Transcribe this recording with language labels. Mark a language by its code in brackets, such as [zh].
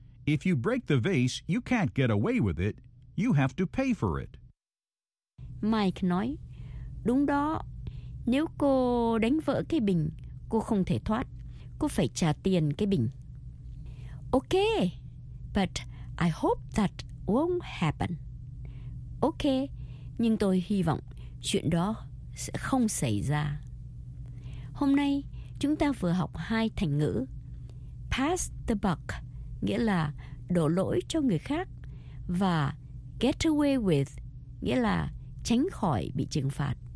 [en] If you break the vase, you can't get away with it. You have to pay for it. [vi] Mike nói, đúng đó. Nếu cô đánh vỡ cái bình, cô không thể thoát. Cô phải trả tiền cái bình. [en] Okay. But I hope that won't happen. Okay. [vi] Nhưng tôi hy vọng chuyện đó sẽ không xảy ra. Hôm nay, chúng ta vừa học hai thành ngữ. [en] Pass the buck, [vi] nghĩa là đổ lỗi cho người khác. Và [en] get away with, [vi] nghĩa là tránh khỏi bị trừng phạt.